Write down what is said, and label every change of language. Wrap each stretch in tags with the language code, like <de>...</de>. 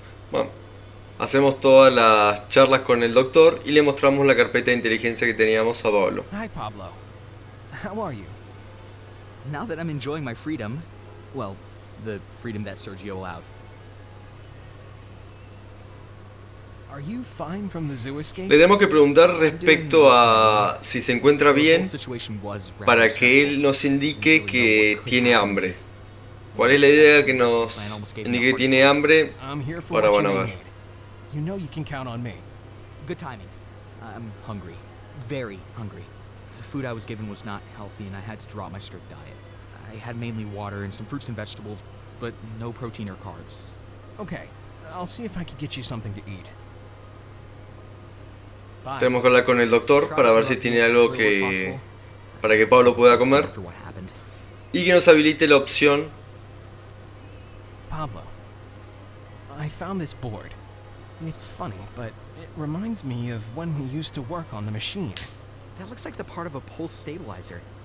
<es>Bueno, hacemos todas las charlas con el doctor y le mostramos la carpeta de inteligencia que teníamos a Pablo.</es> <en>Hi, Pablo. How are you? Now that I'm enjoying my freedom, well, the freedom that Sergio allowed. Are you fine from the zoo escape?</en> <es>Le tenemos que preguntar respecto a si se encuentra bien para que él nos indique que tiene hambre. ¿Cuál es la idea que nos indique que tiene hambre? Ahora van a ver.</es> <en>You know you can count on me. Good timing. I'm hungry. Very hungry. The food I was given was not healthy and I had to drop my strict diet. I had mainly water and some fruits and vegetables, but no protein or carbs. Okay. I'll see if I can get you something to eat. Bye.</en> <es>Tenemos que hablar con el doctor para ver si tiene algo que para que Pablo pueda comer y que nos habilite la opción.</es> <en>Pablo, I found this board. It's funny, but it reminds me of when we used to work on the machine. That looks like the part of a pulse stabilizer.</en>